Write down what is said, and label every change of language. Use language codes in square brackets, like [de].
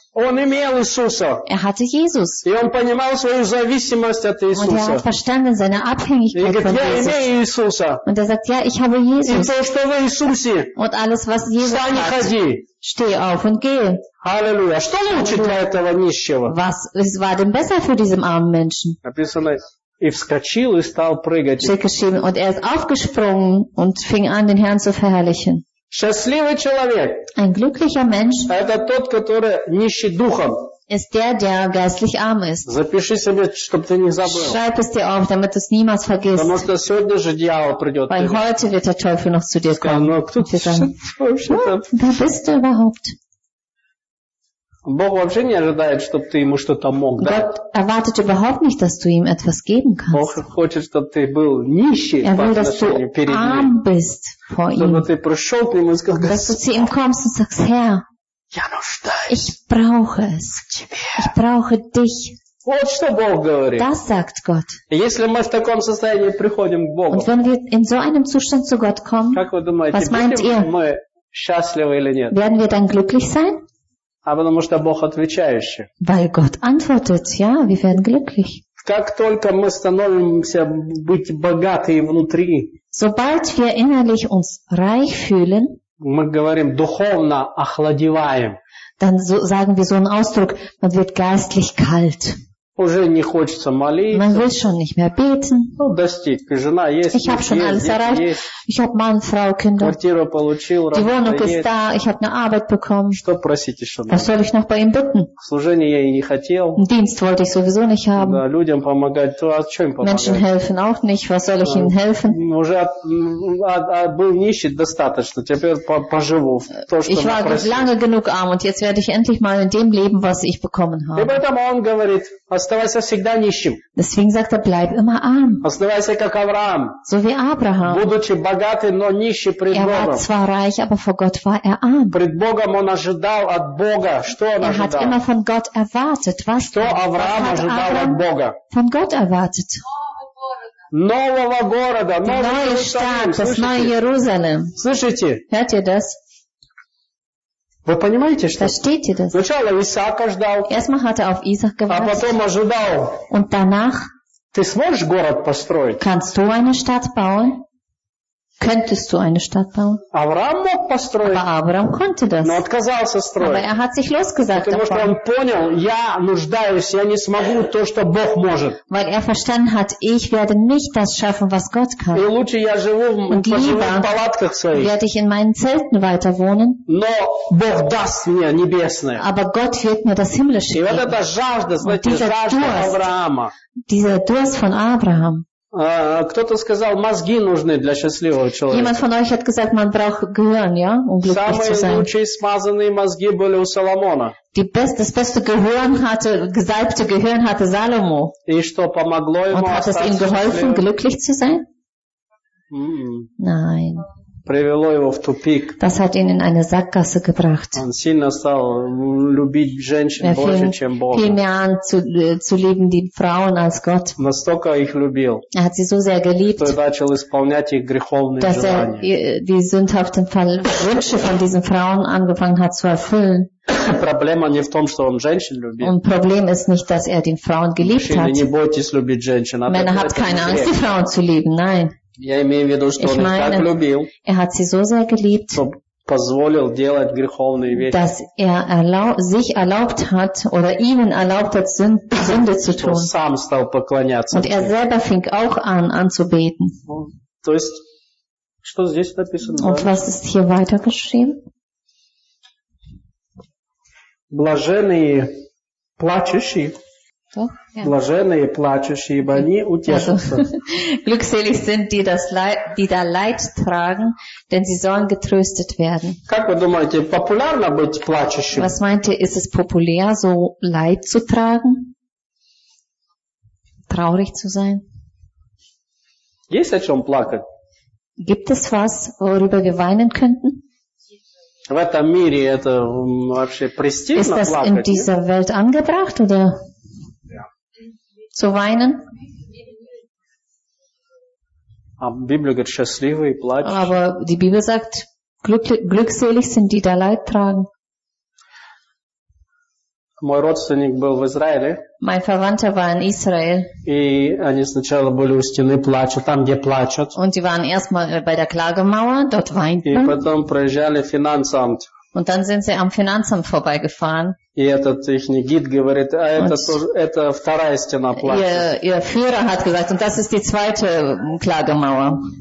[ru] Он имел Иисуса. [de] Er hatte Jesus. [ru] И он понимал свою зависимость от Иисуса. [de] Und er hat verstanden seine Abhängigkeit von Jesus. [ru] Я имею Иисуса. [de] Und er sagt, ja, ich habe Jesus. [ru] И то, что в Иисусе. [de] Und alles, was Jesus hat. [ru] Встань и ходи. [de] Steh auf und geh. Halleluja. [ru] Что лучше для этого нищего? [de] Was war denn besser für diesen armen Menschen? [ru] Написано, и вскочил и стал прыгать. [de] Geschrieben, und er ist aufgesprungen und fing an, den Herrn zu verherrlichen. [ru] Счастливый человек. [de] Ein glücklicher Mensch. [ru] Это тот, который нищий духом. [de] Ist der, der geistlich arm ist. [ru] Запиши себе, чтобы ты не забыл. [de] Schreib es dir auf, damit du es niemals vergisst. [ru] Потому что сегодня же дьявол придет. [de] Weil heute wird der Teufel noch zu dir kommen. [ru] Ну, кто ты вообще? [de] Wer bist du überhaupt? [ru] Бог вообще не ожидает, чтобы ты ему что-то мог дать. [de] Gott erwartet überhaupt nicht, dass du ihm etwas geben kannst. [ru] Бог хочет, чтобы ты был нищий по отношению перед ним. [de] Er will, dass du arm bist vor ihm. [ru] Чтобы ты пришел к нему и сказал, Господь. [de] Dass du zu ihm kommst und sagst, Herr. [ru] Я нуждаюсь. [de] Ich brauche es. Ich brauche dich. [ru] Вот что Бог говорит. [de] Das sagt Gott. [ru] Если мы в таком состоянии приходим к Богу. [de] Und wenn wir in so einem Zustand zu Gott kommen. [ru] Как вы думаете, [de] was meint ihr? [ru] Мы счастливы или нет? [de] Werden wir dann glücklich sein? [ru] А потому что Бог отвечающий. [de] Weil Gott antwortet, ja, wir werden glücklich. [ru] Как только мы становимся быть богатыми внутри, [de] sobald wir innerlich uns reich fühlen, [ru] мы говорим, духовно охладеваем. [de] Dann so, sagen wir so einen Ausdruck, man wird geistlich kalt. [ru] Уже не хочется молиться. [de] Man will schon nicht mehr beten. [ru] Ну, достиг. Жена есть, [de] ich habe schon [ru] есть, [de] alles [ru] есть, [de] erreicht. [ru] Есть. [de] Ich habe Mann, Frau, Kinder. [ru] Квартиру получил, [de] die Wohnung ist da. Ich habe eine Arbeit bekommen. [ru] Что просить еще? [de] Was soll ich noch bei ihm bitten? [ru] Служение я и не хотел. [de] Dienst wollte ich sowieso nicht haben. [ru] Да, людям помогать. То, а что им помогать? [de] Menschen helfen auch nicht. Was soll ich ihnen helfen? [ru] Уже был нищий достаточно. Теперь поживу. То, что [de] ich war [ru] просил. [de] Lange genug arm und jetzt werde ich endlich mal in dem leben, was ich bekommen habe. [ru] И поэтому он говорит. Оставайся всегда нищим. [de] Deswegen sagt er, bleib immer arm. [ru] Оставайся как Авраам. [de] So wie Abraham. [ru] Будучи богатым, но нищий пред Богом. [de] Er war zwar reich, aber vor Gott war er arm. [ru] Пред Богом он ожидал от Бога, что он ожидал. [de] Er hat immer von Gott erwartet, was [ru] что Авраам ожидал [de] Abraham [ru] от Бога. [de] Von Gott erwartet. [ru] Нового города. Новый штат, [de] das neue Jerusalem. [ru] Слышите? [de] Hört ihr das? [ru] Вы понимаете, что? [de] Verstehte das? [ru] Сначала Исаака ждал. [de] Erstmal hat er auf Isaac gewartet. [ru] А потом ожидал. [de] Und danach? [ru] Ты сможешь город построить? [de] Kannst du eine Stadt bauen? Könntest du eine Stadt bauen? [ru] Авраам мог построить. [de] Aber Abraham konnte das. [ru] Но отказался строить. [de] Aber er hat sich losgesagt [ru] потому Что он понял, я нуждаюсь, я не смогу то, что Бог может. [de] Weil er verstanden hat, ich werde nicht das schaffen, was Gott kann. [ru] И лучше я живу [de] und lieber [ru] в палатках своих. [de] Werde ich in meinen Zelten weiter wohnen. [ru] Но Бог даст мне небесное. [de] Aber Gott wird mir das Himmlische geben. [ru] И вот эта жажда, знаете, жажда Авраама. [de] Dieser Durst von Abraham. [ru] Кто-то сказал, мозги нужны для счастливого человека. [de] Jemand von euch hat gesagt, man braucht Gehirn, ja, um glücklich zu sein. [ru] Самые лучшие смазанные мозги были у Соломона. [de] Das beste Gehirn hatte, gesalbte Gehirn hatte Salomo. [ru] И что помогло ему? [de] Und hat es ihm geholfen, glücklich zu sein? Nein. [ru] Привело его в тупик. [de] Das hat ihn in eine Sackgasse gebracht. [ru] Он сильно стал любить женщин больше, чем Бога. [de] Fing mehr an zu lieben die Frauen als Gott. [ru] Настолько их любил. [de] Er hat sie so sehr geliebt. [ru] Что начал исполнять их греховные [de] dass [ru] желания. [de] Dass er die sündhaften Wünsche von diesen Frauen angefangen hat zu erfüllen. [ru] Проблема не в том, что он женщин любит. [de] Und Problem ist nicht, dass er den Frauen geliebt hat. [ru] Не бойтесь любить женщин. [de] Männer hat keine Angst, die Frauen zu lieben, nein. [ru] Я имею в виду, что [de] ich [ru] он [de] meine, [ru] их так любил, [de] er hat sie so sehr geliebt, [ru] что позволил делать греховные вещи. [de] Dass er sich erlaubt hat oder ihnen erlaubt hat, Sünde zu tun. [ru] Он сам стал поклоняться. [de] Und er selber fing auch an, anzubeten. [ru] То есть, что здесь написано? [de] Und was ist hier weiter geschrieben? [ru] Блаженные плачущие. [de] Ja. [ru] Блаженные плачущие, ибо они утешатся. [de] Glückselig sind die, die da Leid tragen, denn sie sollen getröstet werden. [ru] Как вы думаете, популярно быть плачущим? [de] Was meint ihr, ist es populär, so Leid zu tragen? Traurig zu sein? [ru] Есть о чем плакать? [de] Gibt es was, worüber wir weinen könnten? [ru] В этом мире это вообще престижно плакать? [de] Ist das in dieser Welt angebracht, oder? Zu weinen? [ru] А Библия говорит, счастливы и плачут. [de] Aber die Bibel sagt, glückselig sind die, die Leid tragen. [ru] Мой родственник был в Израиле. [de] Mein Verwandter war in Israel. [ru] И они сначала были у стены плача, там где плачут. [de] Und sie waren erstmal bei der Klagemauer, dort weinten. [ru] И потом проезжали Финансамт. [de] Und dann sind sie am Finanzamt vorbeigefahren. Ihr Führer hat gesagt, und das ist die zweite Klagemauer.